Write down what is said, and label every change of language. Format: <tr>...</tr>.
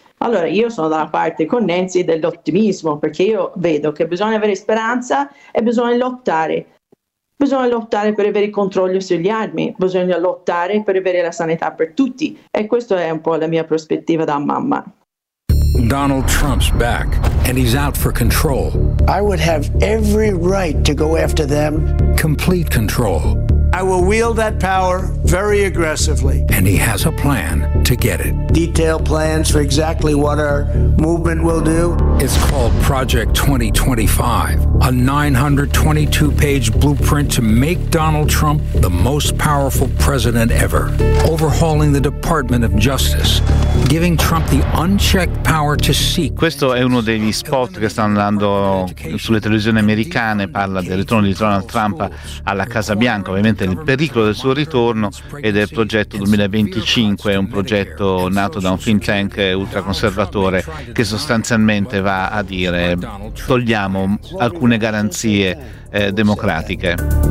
<it>Allora io sono dalla parte con Nancy dell'ottimismo, perché io vedo che bisogna avere speranza e bisogna lottare. Bisogna lottare per avere il controllo sugli armi, bisogna lottare per avere la sanità per tutti. E questa è un po' la mia prospettiva da mamma.</it> <en>Donald Trump's back, and he's out for control. I would have every right to go after them. Complete control. I will wield that power very aggressively. And he has a plan to get it. Detailed plans for exactly what our movement will do. It's called Project 2025, a 922-page blueprint to make Donald Trump the most powerful president ever. Overhauling the Department of Justice, giving Trump the unchecked power to seek.</en> <it>Questo è uno degli spot che sta andando sulle televisioni americane, parla del ritorno di Donald Trump alla Casa Bianca, ovviamente il pericolo del suo ritorno e del progetto 2025, un progetto nato da un think tank ultraconservatore che sostanzialmente va a dire togliamo alcune garanzie democratiche.</it>